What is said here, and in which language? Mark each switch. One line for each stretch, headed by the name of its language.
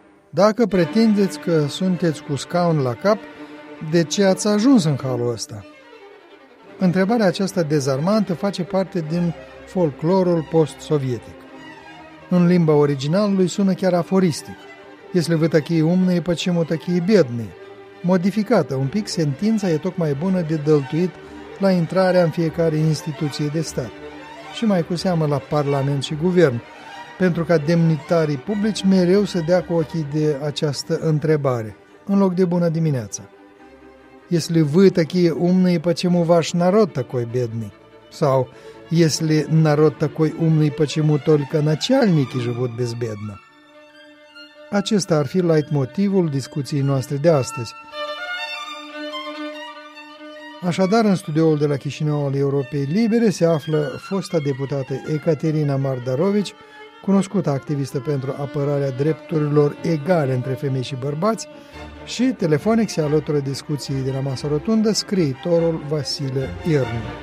Romanian: Dacă pretindeți că sunteți cu scaun la cap, de ce ați ajuns în halul ăsta? Întrebarea aceasta dezarmantă face parte din folclorul post-sovietic. În limba originalului sună chiar aforistic.
Russian: Если вы такие умные, почему такие бедные?
Romanian: Modificată un pic, sentința e tocmai bună de dăltuit la intrarea în fiecare instituție de stat. Și mai cu seamă la parlament și guvern, pentru ca demnitarii publici mereu să dea cu ochii de această întrebare, în loc de bună dimineața.
Russian: Если вы такие умные, почему ваш народ такой бедный? Sau, если народ такой умный, почему только начальники живут безбедно?
Romanian: Acesta ar fi leitmotivul discuției noastre de astăzi. Așadar, în studioul de la Chișinău al Europei Libere se află fosta deputată Ecaterina Mardarovici, cunoscută activistă pentru apărarea drepturilor egale între femei și bărbați, și telefonic se alătură discuției de la Masa Rotundă scriitorul Vasile Iernu.